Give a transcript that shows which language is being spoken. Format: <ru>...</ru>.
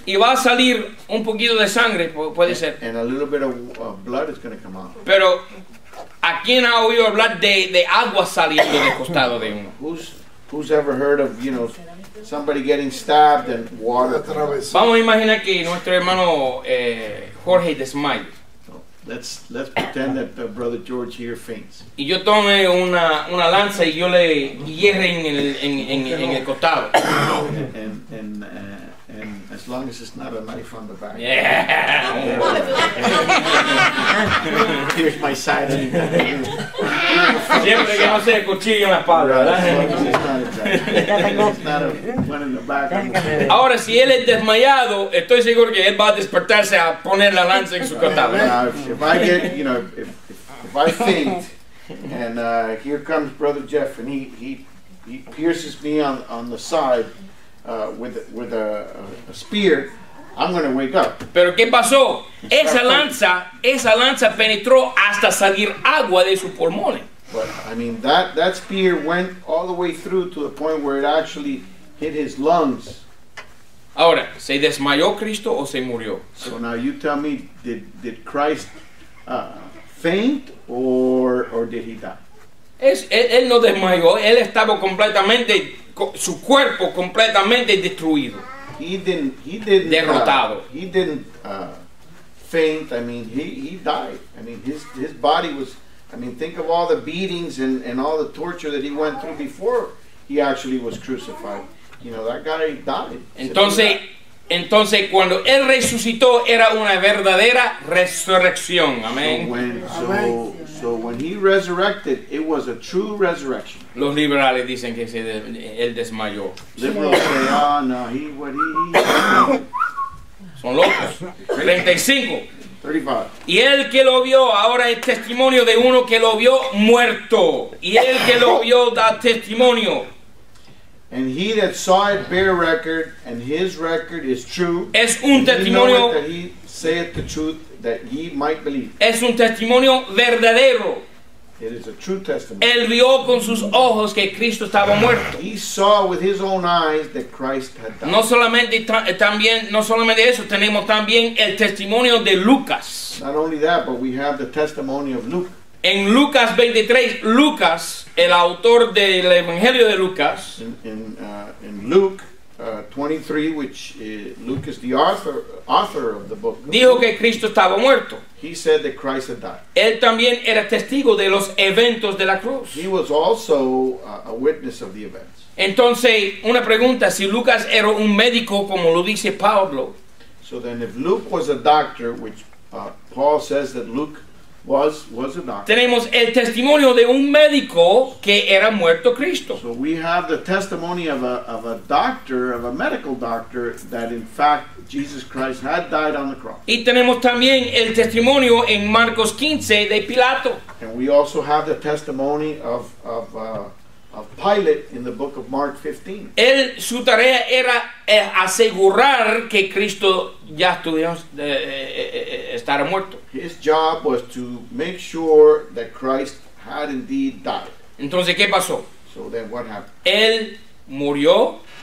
<es>Y va a salir un poquito de sangre, puede ser.</es> <en>And a little bit of blood is going to come out.</en> <es>Pero, ¿a quién ha oído hablar de agua saliendo del costado de uno?</es> <en>Who's ever heard of, you know, somebody getting stabbed and water?</en> <es>Vamos a imaginar que nuestro hermano Jorge desmaya.</es> <en>Let's pretend that the brother George here faints.</en> <es>Y yo tomé una lanza y yo le hierre en el costado.</es> <en>And as long as it's not a knife on the back. Yeah. Here's my side.</en> <es>Siempre que no sea cuchillo en la espalda.</es> <en>As long as it's not one in the back.</en> <es>Ahora, si él es desmayado, estoy seguro que él va a despertarse a poner la lanza en su costado.</es> <en>If I get, you know, if I faint, and here comes Brother Jeff, and he pierces me on the side, with a spear, I'm going to wake up.</en> <es>Pero qué pasó? Esa lanza penetró hasta salir agua de sus pulmones.</es> <en>But I mean that spear went all the way through to the point where it actually hit his lungs.</en> <es>Ahora, ¿se desmayó Cristo o se murió?</es> <en>So now you tell me, did Christ faint or did he die?</en> <es>Él no desmayó. Él estaba completamente, su cuerpo completamente destruido. Derrotado.</es> <en>He didn't faint. I mean, he died. I mean, his body was. I mean, think of all the beatings and all the torture that he went through before he actually was crucified. You know, that guy died.</en> <es>Entonces, cuando él resucitó, era una verdadera resurrección. Amén.</es> <en>So when he resurrected, it was a true resurrection.</en> <es>Los liberales dicen que él desmayó.</es> <en>Liberals say, no,</en> <es>son locos. 35.</es> <en>35.</en> <es>Y el que lo vio, ahora es testimonio de uno que lo vio muerto. Y el que lo vio da testimonio.</es> <en>And he that saw it bear record, and his record is true.</en> <es>Es un testimonio.</es> <en>He knoweth that he saith the truth, that ye might believe.</en> <es>Es un testimonio verdadero.</es> <en>It is a true testimony.</en> <es>Él vio con sus ojos que Cristo estaba muerto.</es> <en>He saw with his own eyes that Christ had died.</en> <es>No solamente eso, tenemos también el testimonio de Lucas.</es> <en>Not only that, but we have the testimony of Luke.</en> <es>En Lucas 23, Lucas, el autor del Evangelio de Lucas.</es> <en>In Luke 23, which Luke is the author of the book.</en> <es>Dijo que Cristo estaba muerto.</es> <en>He said that Christ had died.</en> <es>Él también era testigo de los eventos de la cruz.</es> <en>He was also a witness of the events.</en> <es>Entonces, una pregunta, si Lucas era un médico, como lo dice Pablo.</es> <en>So then if Luke was a doctor, which Paul says that Luke was a doctor.</en> <es>Tenemos el testimonio de un médico que era muerto Cristo.</es> <en>So we have the testimony of a medical doctor that in fact Jesus Christ had died on the cross.</en> <es>Y tenemos también el testimonio en Marcos 15 de Pilato.</es> <en>And we also have the testimony of Pilate in the book of Mark 15.</en> <es>Él, su tarea era asegurar que Cristo ya estuviera muerto.</es> <en>His job was to make sure that Christ had indeed died.</en> <es>Entonces, ¿qué pasó?</es> <en>So then what happened?</en> <es>Él murió.</es>